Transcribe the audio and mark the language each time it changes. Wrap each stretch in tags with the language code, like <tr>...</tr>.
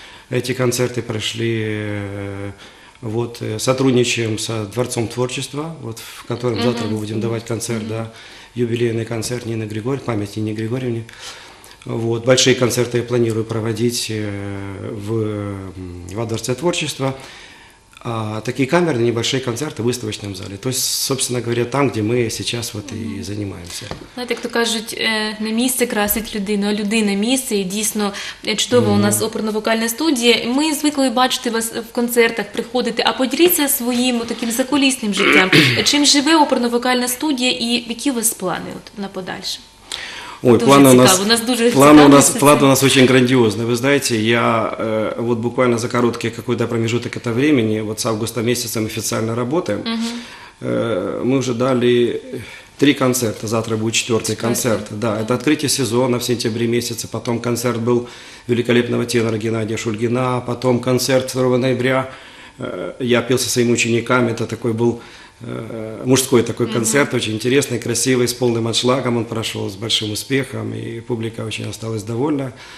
<ru>Эти концерты прошли, вот, сотрудничаем со Дворцом творчества, вот, в котором завтра мы будем давать концерт, да, юбилейный концерт Нины Григорьевны, память Нине Григорьевне. Вот, большие концерты я планирую проводить во Дворце творчества. А такие камерные небольшие концерты в выставочном зале. То есть, собственно говоря, там, где мы сейчас вот и занимаемся.</ru> <uk>Знаете, кто кажут, не місце красить людину, а людина місце. И дійсно, чудово у нас оперно-вокальна студія. Ми звикли бачити вас в концертах, приходити, а поділіться своїм таким закулісним життям. Чим живе оперно-вокальна студія і які у вас плани от на подальше?</uk> <ru>Ой, планы у нас, планы у нас очень грандиозные. Вы знаете, я вот буквально за короткий какой-то промежуток этого времени, вот с августа месяца мы официально работаем, мы уже дали 3 концерта, завтра будет 4-й концерт. Да, это открытие сезона в сентябре месяце, потом концерт был великолепного тенора Геннадия Шульгина, потом концерт 2 ноября, я пел со своими учениками, это такой был мужской такой концерт, очень интересный, красивый, с полным аншлагом он прошел, с большим успехом, и публика очень осталась довольна.</ru>